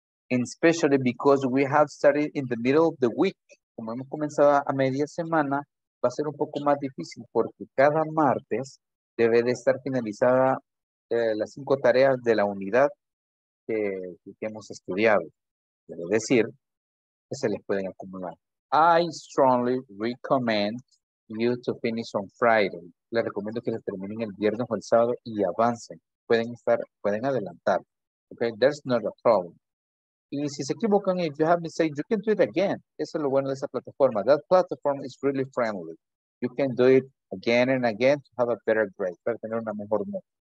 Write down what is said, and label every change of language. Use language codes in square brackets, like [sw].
[en] And especially because we have started in the middle of the week. [es] Como hemos comenzado a media semana, va a ser un poco más difícil porque cada martes debe de estar finalizada las cinco tareas de la unidad que hemos estudiado. Quiero decir que se les pueden acumular. [en] I strongly recommend you to finish on Friday. [es] Les recomiendo que les terminen el viernes o el sábado y avancen. Pueden adelantar. [en] Okay, there's not a problem. [es] Y si se equivocan, [en] if you have mistakes, you can do it again. [es] Eso es lo bueno de esa plataforma. [en] That platform is really friendly. You can do it again and again to have a better grade, [es] para tener una mejor nota.